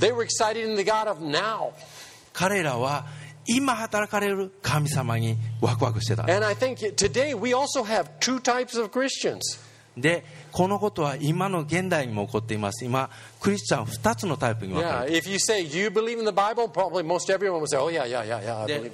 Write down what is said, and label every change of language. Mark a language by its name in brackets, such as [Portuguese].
[English] They were excited in the God of now. [Japanese] 彼らは今働かれる神様にワクワクしてた。 [English] And I think today we also have two types of Christians. [Japanese] で、このことは今の現代にも起こっています。今、クリスチャン二つのタイプに分かれている。 [English] Yeah, if you say you believe in the Bible, probably most everyone will say, oh yeah, yeah, yeah, yeah, I believe.